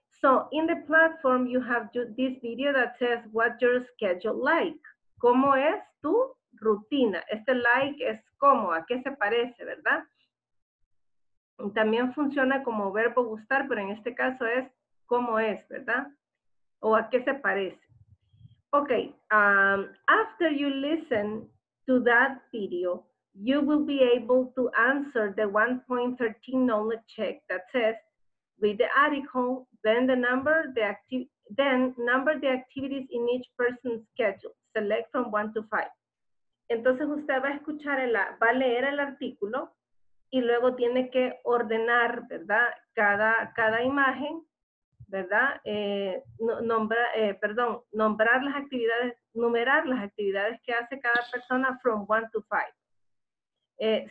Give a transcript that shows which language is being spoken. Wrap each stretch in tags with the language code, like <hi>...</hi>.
<en>So, in the platform, you have this video that says, what's your schedule like?</en> <es>¿Cómo es tu rutina? Este like es cómo, ¿a qué se parece, verdad? También funciona como verbo gustar, pero en este caso es cómo es, ¿verdad? O a qué se parece.</es> <en>Ok, after you listen to that video, you will be able to answer the 1.13 knowledge check that says, read the article, then the number, the activities in each person's schedule. Select from 1 to 5.</en> <es>Entonces usted va a escuchar, va a leer el artículo y luego tiene que ordenar, ¿verdad? Cada imagen, ¿verdad? Nombrar las actividades, numerar las actividades que hace cada persona</es> <en>from 1 to 5.</en>